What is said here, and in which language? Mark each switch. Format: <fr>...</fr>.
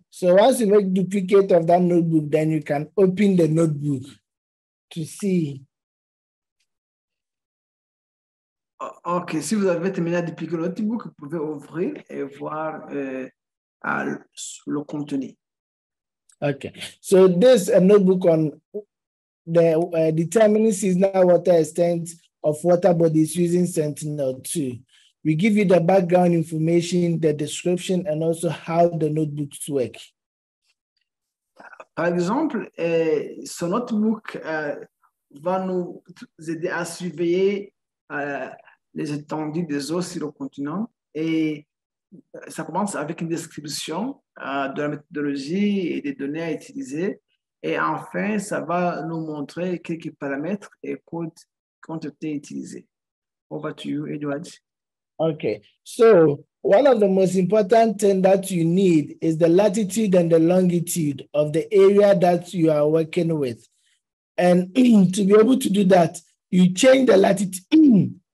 <en>So once you make duplicate of that notebook, then you can open the notebook to see. Okay.</en> <fr>Si vous avez terminé de dupliquer le notebook, vous pouvez ouvrir et voir le contenu.</fr> <en>Okay. So this a notebook on the determining seasonal water extent of water bodies using Sentinel-2. We give you the background information, the description, and also how the notebooks work.</en> <fr>Par exemple, ce notebook va nous aider à surveiller les étendues des eaux sur le continent. Et ça commence avec une description de la méthodologie et des données à utiliser. Et enfin, ça va nous montrer quelques paramètres et codes qui ont été utilisés.</fr> <en>Over to you, Edward. Okay, so One of the most important things that you need is the latitude and the longitude of the area that you are working with. And to be able to do that, you change the latitude.</en>